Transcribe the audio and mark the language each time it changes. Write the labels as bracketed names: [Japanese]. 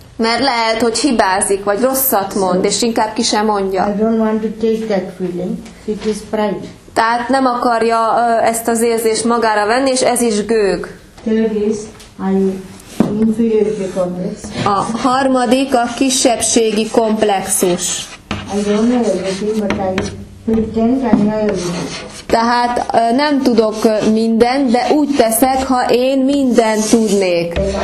[Hungarian] Mert lehet, hogy hibázik, vagy rosszat mond, so, és inkább ki sem mondja. [English] I don't want to take that feeling. It is pride. [Hungarian] Tehát nem akarja ezt az érzést magára venni, és ez is gőg. [English] Third is, I'm inferiority complex. [Hungarian] A harmadik a kisebbségi komplexus. [English] I don't know everything, but I pretend I know everything. [Hungarian] Tehát nem tudok mindent, de úgy teszek, ha én mindent tudnék.